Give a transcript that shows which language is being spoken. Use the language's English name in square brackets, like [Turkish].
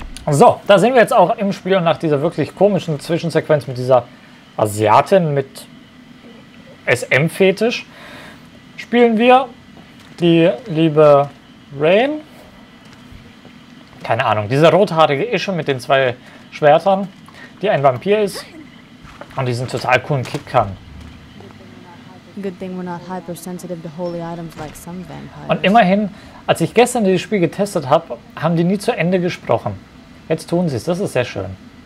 [German] So, da sind wir jetzt auch im Spiel und nach dieser wirklich komischen Zwischensequenz mit dieser Asiatin mit SM-Fetisch spielen wir die liebe Rain. Keine Ahnung, dieser rothaarige Ische mit den zwei Schwertern, die ein Vampir ist und diesen total coolen Kick kann. [English] Good thing we're not hypersensitive to holy items like some vampires. [German] Und immerhin, als ich gestern dieses Spiel getestet habe, haben die nie zu Ende gesprochen. Jetzt tun sie es, das ist sehr schön.